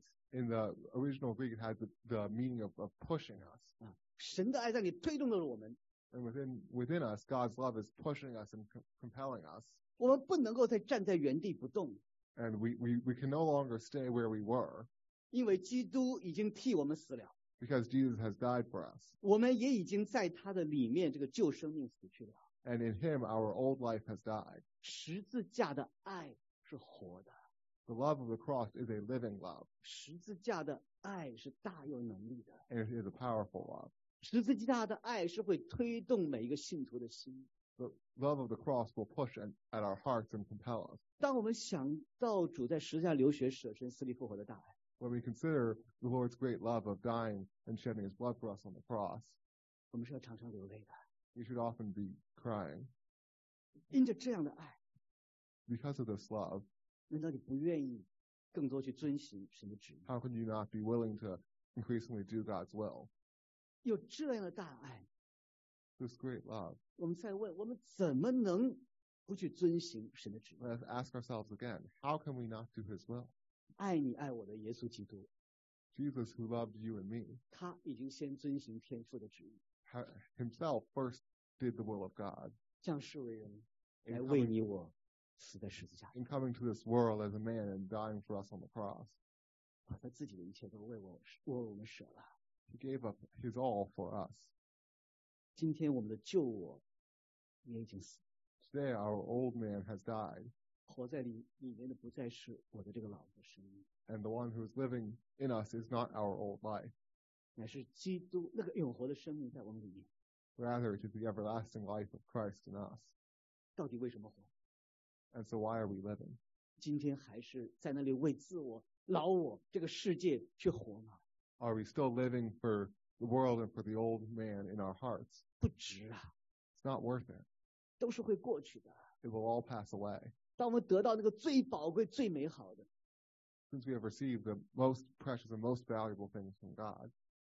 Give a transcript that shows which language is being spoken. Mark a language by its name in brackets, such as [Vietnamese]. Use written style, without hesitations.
[English] in the original Greek, it has the meaning of pushing us. [Chinese] 啊, 神的爱在你推动的是我们, [English] and within us, God's love is pushing us and compelling us. [Chinese] 我们不能够再站在原地不动, [English] and we can no longer stay where we were, [Chinese] 因为基督已经替我们死了, [English] because Jesus has died for us. [Chinese] 我们也已经在他的里面, 这个旧生命死去了, [English] and in him, our old life has died. [Chinese] 十字架的爱是活的, [English] the love of the cross is a living love. [Chinese] 十字架的爱是大有能力的, [English] and it is a powerful love. [Chinese] 十字架的爱是会推动每一个信徒的心, [English] the love of the cross will push at our hearts and compel us. [Chinese] 当我们想到主在十字架流血舍身死里复活的大爱, [English] when we consider the Lord's great love of dying and shedding his blood for us on the cross, we should often be crying. [Chinese] 因着这样的爱, [English] because of this love, [Chinese] 难道你不愿意更多去遵行神的旨意? [English] How can you not be willing to increasingly do God's will? [Chinese] 有这样的大爱, [English] this great love, [Chinese] 我们再问我们怎么能不去遵行神的旨意? [English] Let's ask ourselves again, how can we not do his will? [Chinese] 爱你爱我的耶稣基督, [English] Jesus who loved you and me, [Chinese] 他已经先遵行天父的旨意, [English] himself first did the will of God, [Chinese] 将世为人, 来为你我, [English] in coming to this world as a man and dying for us on the cross, [Chinese] 把他自己的一切都为我, [English] he gave up his all for us. [Chinese] 今天我们的旧我, [English] today our old man has died, [Chinese] 活在里面的不再是我的这个老的生命, [English] and the one who is living in us is not our old life, [Chinese] 乃是基督那个永活的生命在我们里面, [English] rather it is the everlasting life of Christ in us. [Chinese] 到底为什么活? [English] And so why are we living? [Chinese] 今天还是在那里为自我老我这个世界去活吗? [English] Are we still living for the world and for the old man in our hearts? [Chinese] 不值啊, [English] it's not worth it. [Chinese] 都是会过去的, [English] it will all pass away. [Chinese] 当我们得到那个最宝贵最美好的, [English] since we have received the most precious and most valuable things from God,